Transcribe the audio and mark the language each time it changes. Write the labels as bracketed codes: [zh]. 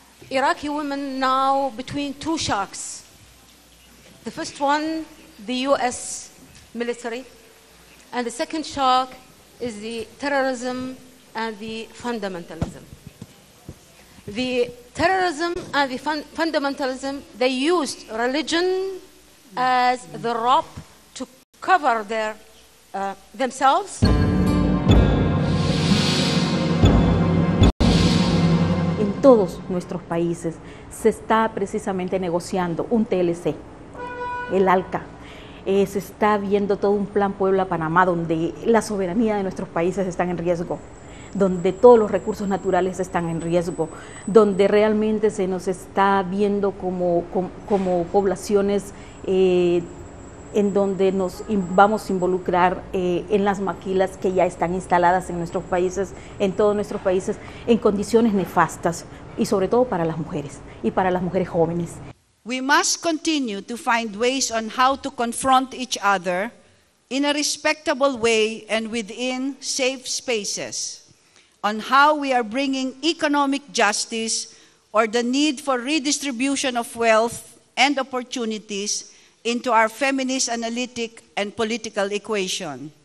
[en] Iraqi women now between two shocks. The first one, the US military, and the second shock is the terrorism and the fundamentalism. The terrorism and the fundamentalism, they used religion as the rope to cover their themselves. [es] En todos nuestros países se está precisamente negociando un TLC, el ALCA. Se está viendo todo un plan Puebla-Panamá donde la soberanía de nuestros países está en riesgo, donde todos los recursos naturales están en riesgo, donde realmente se nos está viendo como poblaciones en donde nos vamos a involucrar en las maquilas que ya están instaladas en nuestros países, en todos nuestros países, en condiciones nefastas, y sobre todo para las mujeres y para las mujeres jóvenes. [en] We must continue to find ways on how to confront each other in a respectable way and within safe spaces, on how we are bringing economic justice or the need for redistribution of wealth and opportunities into our feminist analytic and political equation.